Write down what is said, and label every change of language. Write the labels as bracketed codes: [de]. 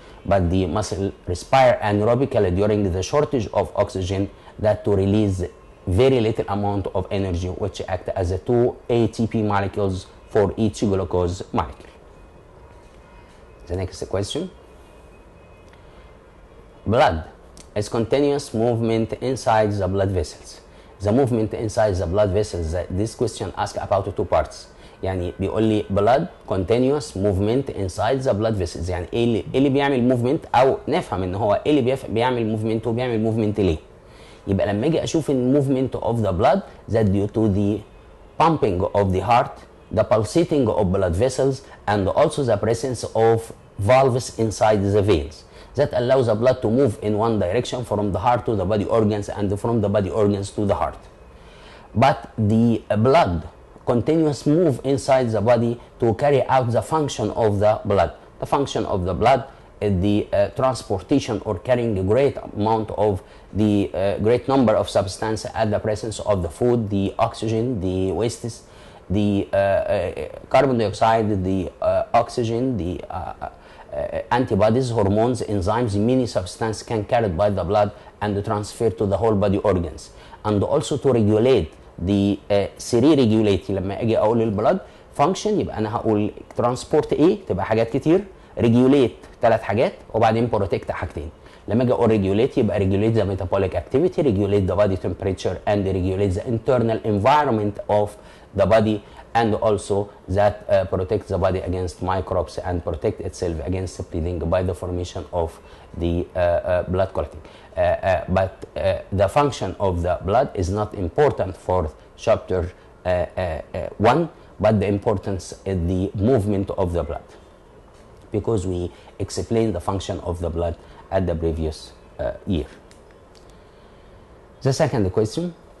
[en] But the muscle respire anaerobically during the shortage of oxygen that to release very little amount of energy, which act as a two ATP molecules for each glucose molecule. The next question. Blood is continuous movement inside the blood vessels. The movement inside the blood vessels, this question asks about two parts. [ar] يعني بيقول لي [en] blood continuous movement inside the blood vessels. [ar] يعني ايه اللي بيعمل movement, او نفهم ان هو ايه اللي بيعمل movement وبيعمل movement ليه. يبقى لما اجي اشوف [en] movement of the blood that due to the pumping of the heart, the pulsating of blood vessels, and also the presence of valves inside the veins that allows the blood to move in one direction from the heart to the body organs and from the body organs to the heart. But the blood continuous move inside the body to carry out the function of the blood. The function of the blood is the transportation or carrying a great amount of the great number of substance at the presence of the food, the oxygen, the wastes, the carbon dioxide, the oxygen, the antibodies, hormones, enzymes, many substances can carry by the blood and transfer to the whole body organs. And also to regulate the سيري ريجوليتي. [ar] لما اجي اقول البلد فانكشن يبقى انا هقول ترانسبورت ايه, تبقى حاجات كتير, ريجوليت ثلاث حاجات, وبعدين بروتكت حاجتين. [en] لما اجي اقول ريجوليت يبقى regulate the metabolic activity, regulate the body temperature, and regulate the internal environment of the body, and also that protect the body against microbes and protect itself against bleeding by the formation of the blood collecting. But the function of the blood is not important for chapter 1, but the importance is the movement of the blood, because we explained the function of the blood at the previous year. The second question.